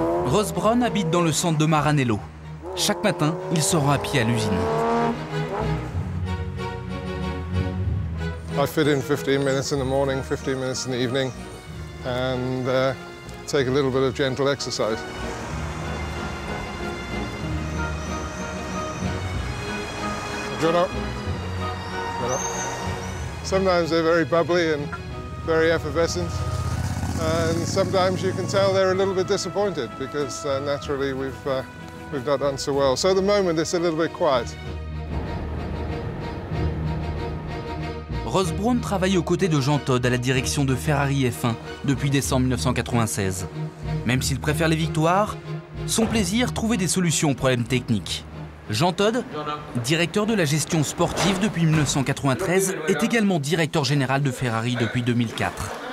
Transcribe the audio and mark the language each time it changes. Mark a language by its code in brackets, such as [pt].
[fr] Ross Brown habite dans le centre de Maranello. Chaque matin, il se rend à pied à l'usine. [en] I fit in 15 minutes in the morning, 15 minutes in the evening, and take a little bit of gentle exercise. [fr] Bonjour. [en] Sometimes they're very bubbly and very effervescent, and sometimes you can tell they're a little bit disappointed because naturally we've not done so well. So at the moment it's a little bit quiet. [fr] Ross Brown travaille aux côtés de Jean Todt à la direction de Ferrari F1 depuis décembre 1996. Même s'il préfère les victoires, son plaisir, trouver des solutions aux problèmes techniques. Jean Todt, directeur de la gestion sportive depuis 1993, est également directeur général de Ferrari depuis 2004.